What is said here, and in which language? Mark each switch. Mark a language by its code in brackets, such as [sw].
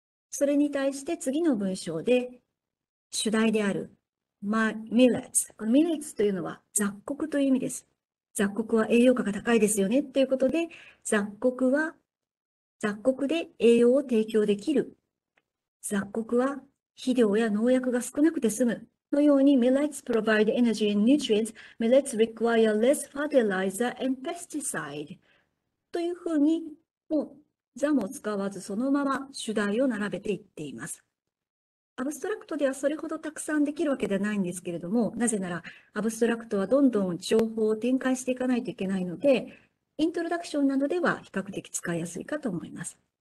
[ja] それに対して次の文章で、主題である、millets。この millets というのは雑穀という意味です。雑穀は栄養価が高いですよねということで、雑穀で栄養を提供できる。雑穀は肥料や農薬が少なくて済む。のように、 [en] millets provide energy and nutrients. Millets require less fertilizer and pesticide. [ja] というふうに、もう、ザも使わずそのまま主題を並べていっています。アブストラクトではそれほどたくさんできるわけではないんですけれども、なぜならアブストラクトはどんどん情報を展開していかないといけないので、イントロダクションなどでは比較的使いやすいかと思います。